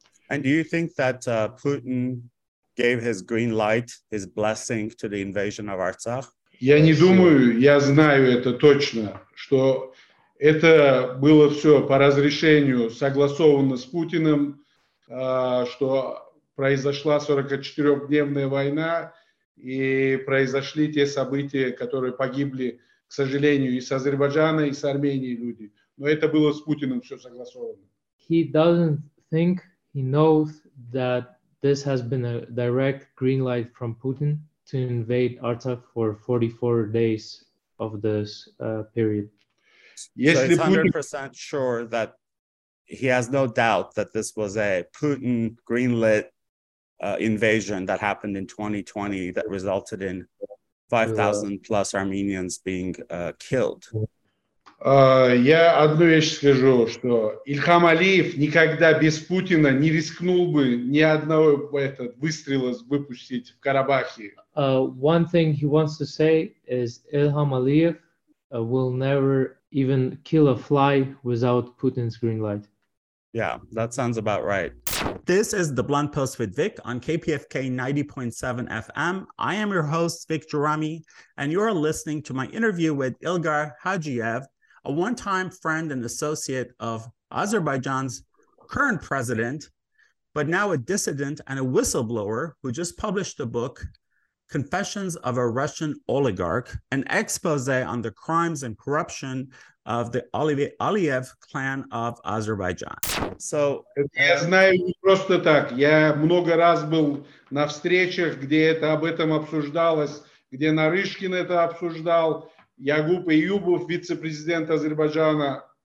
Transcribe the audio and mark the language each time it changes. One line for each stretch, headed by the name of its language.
English: And do you think that Putin gave his green light, his blessing to the invasion of Artsakh?
Russian: Я не думаю, я знаю это точно, что это было все по разрешению, согласовано с Путиным, что произошла 44-дневная война и произошли те события, которые погибли, к сожалению, и с Азербайджана, и с Армении люди. Но это было с Путиным все согласовано.
English: He doesn't think, he knows that this has been a direct green light from Putin to invade Artsakh for 44 days of this period. So it's 100% sure that he has no doubt that this was a Putin greenlit invasion that happened in 2020 that resulted in 5,000 plus Armenians being killed.
Russian: Я одну вещь скажу, что Ильхам Алиев никогда без Путина не рискнул бы ни одного этот выстрела выпустить в Карабахе.
English: One thing he wants to say is Ильхам Алиев will never even kill a fly without Putin's green light. Yeah, that sounds about right. This is The Blunt Post with Vic on KPFK 90.7 FM. I am your host, Vic Jarami, and you are listening to my interview with Ilgar Hajiyev, a one-time friend and associate of Azerbaijan's current president, but now a dissident and a whistleblower who just published a book, Confessions of a Russian Oligarch, an expose on the crimes and corruption of the Aliyev clan of Azerbaijan. So,
Russian: я знаю не просто так. Я много раз был на встречах, где это об этом обсуждалось, где Нарышкин это обсуждал, Ягуб Эйюбов, вице-президент Азербайджана.